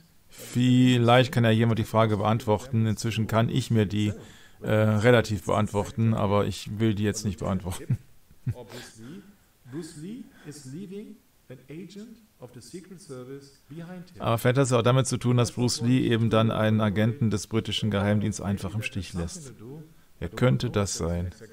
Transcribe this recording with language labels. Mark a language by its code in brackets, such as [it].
[de] Vielleicht kann ja jemand die Frage beantworten. Inzwischen kann ich mir die relativ beantworten, aber ich will die jetzt nicht beantworten. [en] Bruce Lee is leaving an agent of the Secret Service behind him. [de] Aber vielleicht hat es auch damit zu tun, dass Bruce Lee eben dann einen Agenten des britischen Geheimdienstes einfach im Stich lässt. Er könnte das sein.